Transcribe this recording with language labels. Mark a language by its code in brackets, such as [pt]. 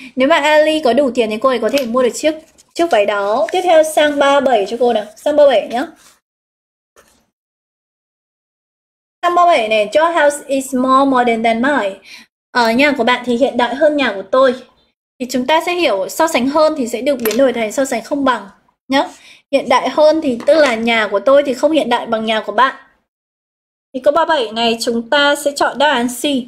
[vi] Nếu mà Ellie có đủ tiền thì cô ấy có thể mua được chiếc chiếc váy đó. Tiếp theo sang 37 cho cô nào. Sang 37 nhé. Sang 37 này, [en] your house is more modern than mine. [vi] Nhà của bạn thì hiện đại hơn nhà của tôi. Thì chúng ta sẽ hiểu so sánh hơn thì sẽ được biến đổi thành so sánh không bằng nhé. Hiện đại hơn thì tức là nhà của tôi thì không hiện đại bằng nhà của bạn. Thì câu 37 này chúng ta sẽ chọn đáp án C.